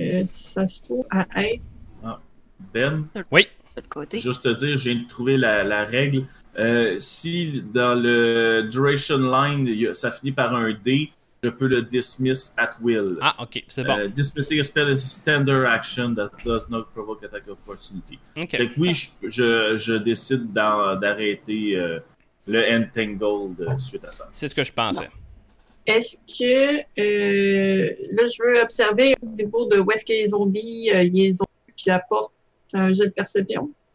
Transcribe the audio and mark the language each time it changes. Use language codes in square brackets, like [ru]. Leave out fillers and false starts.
[fr] Ça se trouve à être... Ben? Oui? Côté. Juste te dire, je viens de trouver la règle. Si dans le duration line, ça finit par un D, je peux le [en] dismiss at will. [fr] Ah, ok, c'est bon. [en] Dismissing a spell is a standard action that does not provoke attack opportunity. [fr] Ok. Fait que oui, je décide d'arrêter le entangled suite à ça. C'est ce que je pensais. Est-ce que. Là, je veux observer au niveau de où est-ce que les zombies, ils ont puis la porte. C'est un jet de perception.